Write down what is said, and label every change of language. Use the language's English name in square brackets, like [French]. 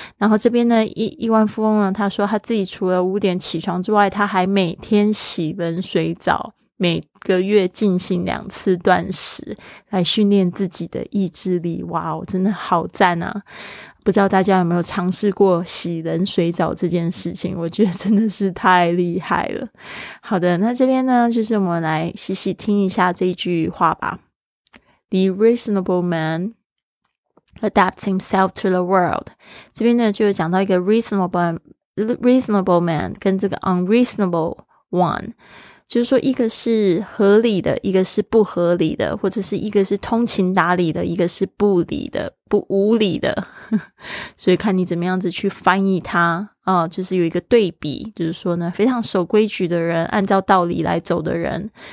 [Chinese] 然后这边呢，亿万富翁呢，他说他自己除了五点起床之外，他还每天洗冷水澡，每个月进行两次断食，来训练自己的意志力。哇哦，真的好赞啊！不知道大家有没有尝试过洗冷水澡这件事情，我觉得真的是太厉害了。好的，那这边呢，就是我们来细细听一下这一句话吧。 [English] The reasonable man adapts himself to the world. [Chinese] 这边呢就有讲到一个 [English] reasonable man [Chinese] 跟这个 [English] unreasonable one， [Chinese] 就是说一个是合理的，一个是不合理的，或者是一个是通情达理的，一个是不理的，不无理的。所以看你怎么样子去翻译它啊，就是有一个对比，就是说呢，非常守规矩的人，按照道理来走的人。